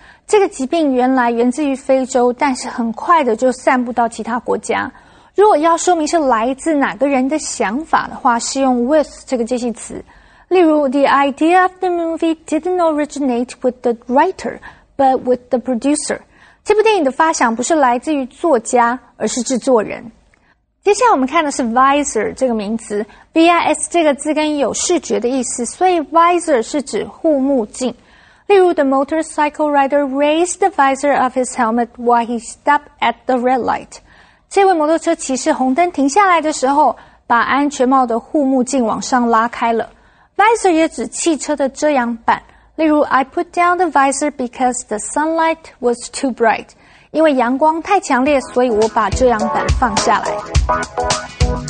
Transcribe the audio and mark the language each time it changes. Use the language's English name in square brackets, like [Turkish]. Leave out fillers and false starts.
[Chinese] 这个疾病原来源自于非洲，但是很快的就散布到其他国家。如果要说明是来自哪个人的想法的话，是用 with 这个介系词。 [English] 例如 ,the idea of the movie didn't originate with the writer, but with the producer. [Chinese] 这部电影的发想不是来自于作家，而是制作人。接下来我们看的是 visor 这个名词 ,vis 这个字根有视觉的意思，所以 visor 是指护目镜。 [English] 例如 ,the motorcycle rider raised the visor of his helmet while he stopped at the red light. [Chinese] 这位摩托车骑士红灯停下来的时候把安全帽的护目镜往上拉开了。 visor 也指汽车的遮阳板。 [English] 例如 ,I put down the visor because the sunlight was too bright. [Chinese] 因为阳光太强烈，所以我把遮阳板放下来。